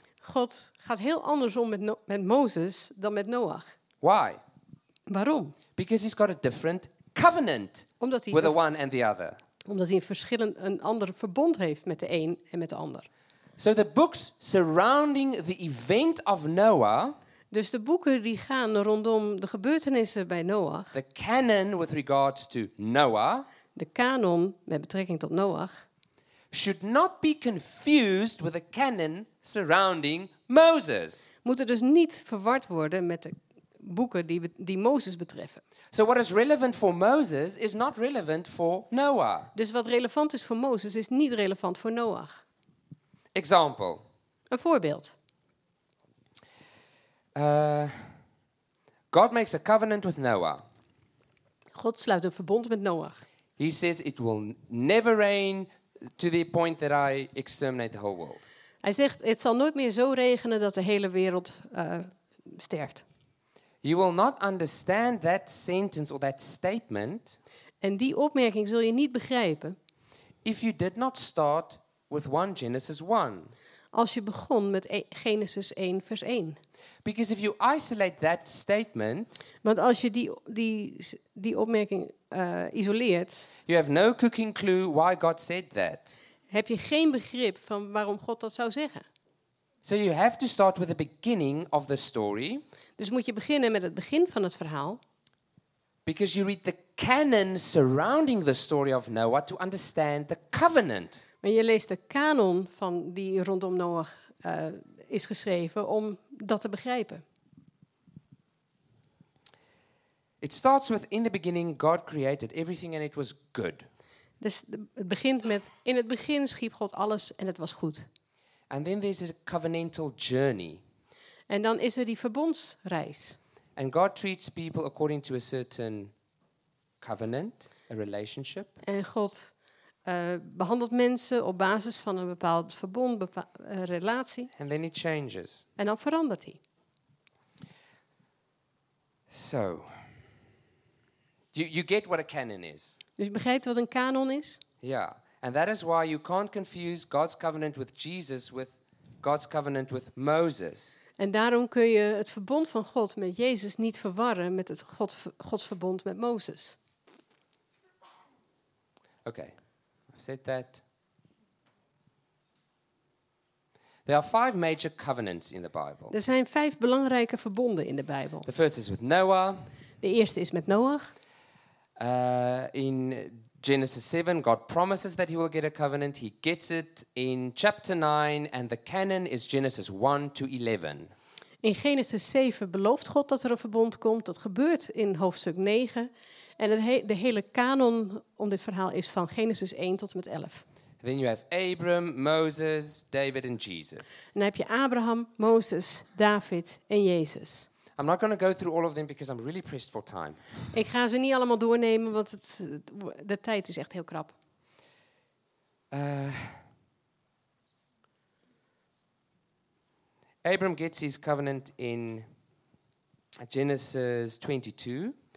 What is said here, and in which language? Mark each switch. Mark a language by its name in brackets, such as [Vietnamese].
[Dutch] God gaat heel anders om met Mozes dan met Noach. [English] Why? [Dutch] Waarom? [English] Because he's got a different covenant with the one and the other. [Dutch] Omdat hij een ander verbond heeft met de een en met de ander. [English] So the books surrounding the event of Noah. [Dutch] Dus de boeken die gaan rondom de gebeurtenissen bij Noach. [English] The canon with regards to Noah. [Dutch] De kanon met betrekking tot Noach. [English] Should not be confused with the canon surrounding Moses. [Dutch] Moeten dus niet verward worden met de boeken die Mozes betreffen. [English] So what is relevant for Moses is not relevant for Noah. [Dutch] Dus wat relevant is voor Mozes is niet relevant voor Noach. [English] Example. [Dutch] Een voorbeeld. [English] God makes a covenant with Noah. [Dutch] God sluit een verbond met Noach. [English] He says it will never rain to the point that I exterminate the whole world. [Dutch] Hij zegt het zal nooit meer zo regenen dat de hele wereld sterft. [English] You will not understand that sentence or that statement. [Dutch] En die opmerking zul je niet begrijpen. [English] If you did not start with 1 Genesis 1. [Dutch] Als je begon met Genesis 1 vers 1. [English] Because if you isolate that statement. [Dutch] Want als je die opmerking isoleert. [English] You have no cooking clue why God said that. [Dutch] Heb je geen begrip van waarom God dat zou zeggen. [English] So you have to start with the beginning of the story. [Dutch] Dus moet je beginnen met het begin van het verhaal. [English] Because you read the canon surrounding the story of Noah to understand the covenant. [Dutch] Maar je leest de kanon van die rondom Noach is geschreven om dat te begrijpen. [English] It starts with in the beginning God created everything and it was good. [Dutch] Dus het begint met in het begin schiep God alles en het was goed. [English] And then there's a covenantal journey. [Dutch] En dan is er die verbondsreis. [English] And God treats people according to a certain covenant, a relationship. [Dutch] En God behandelt mensen op basis van een bepaald verbond, relatie. [English] And then it changes. [Dutch] En dan verandert hij. [English] So, you get what a canon is. [Dutch] Dus je begrijpt wat een kanon is? Ja. [English] Yeah. And that is why you can't confuse God's covenant with Jesus with God's covenant with Moses. [Dutch] En daarom kun je het verbond van God met Jezus niet verwarren met het Gods verbond met Mozes. [English] Okay, I've said that. There are 5 major covenants in the Bible. [Dutch] Er zijn 5 belangrijke verbonden in de Bijbel. [English] The first is with Noah. [Dutch] De eerste is met Noach. [English] In Genesis 7, God promises that he will get a covenant. He gets it in chapter 9 and the canon is Genesis 1 to 11. [Dutch] In Genesis 7 belooft God dat er een verbond komt. Dat gebeurt in hoofdstuk 9. En de hele canon om dit verhaal is van Genesis 1 tot en met 11. [English] Then you have Abram, Moses, David and Jesus. [Dutch] En dan heb je Abraham, Moses, David en Jezus. [English] I'm not going to go through all of them because I'm really pressed for time. [Dutch] Ik ga ze niet allemaal doornemen, want de tijd is echt heel krap. Uh, [English] Abram gets his covenant in Genesis 22.